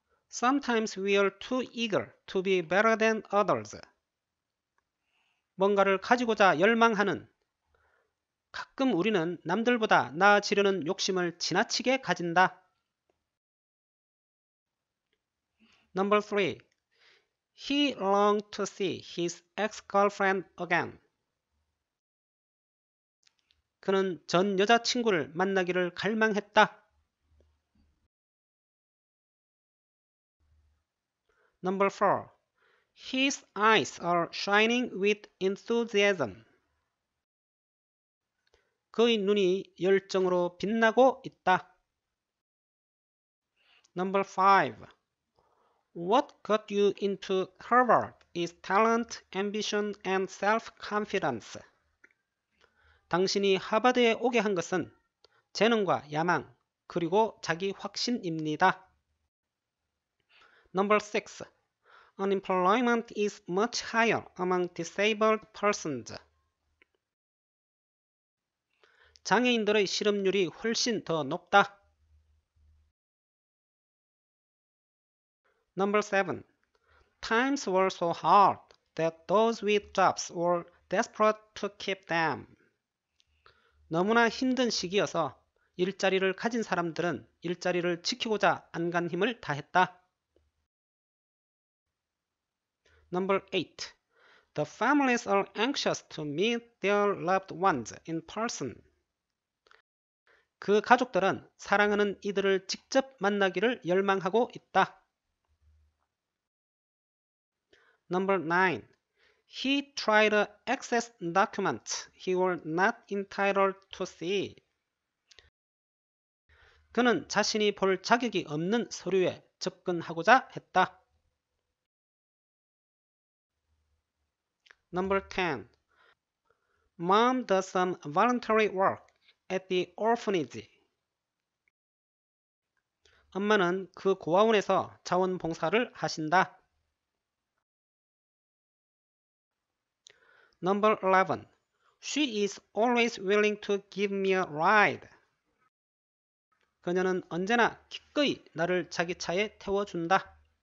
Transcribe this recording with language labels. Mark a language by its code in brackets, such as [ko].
[en] Sometimes we are too eager to be better than others. [ko] 뭔가를 가지고자 열망하는. 가끔 우리는 남들보다 나아지려는 욕심을 지나치게 가진다. [en] Number 3. He longed to see his ex-girlfriend again. [ko] 그는 전 여자친구를 만나기를 갈망했다. [en] Number 4. His eyes are shining with enthusiasm. [ko] 그의 눈이 열정으로 빛나고 있다. [en] Number 5. What got you into Harvard is talent, ambition, and self-confidence. [ko] 당신이 하버드에 오게 한 것은 재능과 야망, 그리고 자기 확신입니다. [en] Number 6. Unemployment is much higher among disabled persons. [ko] 장애인들의 실업률이 훨씬 더 높다. [en] Number 7. Times were so hard that those with jobs were desperate to keep them. [ko] 너무나 힘든 시기여서 일자리를 가진 사람들은 일자리를 지키고자 안간 힘을 다했다. [en] Number 8. The families are anxious to meet their loved ones in person. [ko] 그 가족들은 사랑하는 이들을 직접 만나기를 열망하고 있다. [en] Number 9. He tried to access documents he was not entitled to see. [ko] 그는 자신이 볼 자격이 없는 서류에 접근하고자 했다. [en] Number 10. Mom does some voluntary work at the orphanage. [ko] 엄마는 그 고아원에서 자원봉사를 하신다. [en] Number 11. She is always willing to give me a ride. [ko] 그녀는 언제나 기꺼이 나를 자기 차에 태워준다.